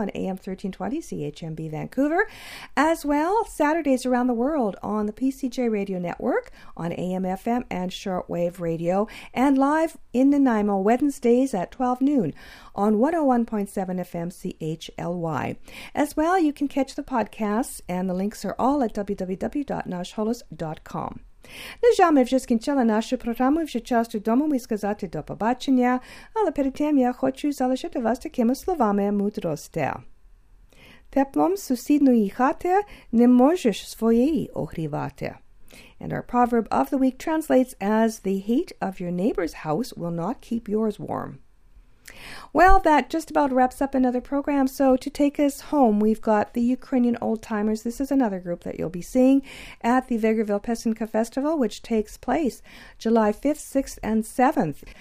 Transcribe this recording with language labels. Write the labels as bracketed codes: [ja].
[en] on AM 1320 CHMB Vancouver, as well Saturdays around the world on the PCJ Radio Network, on AM/FM and Shortwave Radio, and live in Nanaimo Wednesdays at 12 noon on 101.7 FM CHLY. As well, you can catch the podcasts, and the links are all at www.nashholos.com. [uk] На жаль, ми вже скінчили нашу програму, вже час додому і сказати до побачення, але перед тим я хочу залишити вас такими словами мудрості. Теплом сусідньої хати не можеш своєї огрівати. [en] And our proverb of the week translates as, the heat of your neighbor's house will not keep yours warm. Well, that just about wraps up another program. So to take us home, we've got the Ukrainian Old Timers. This is another group that you'll be seeing at the Vegreville Pesenka Festival, which takes place July 5th, 6th, and 7th.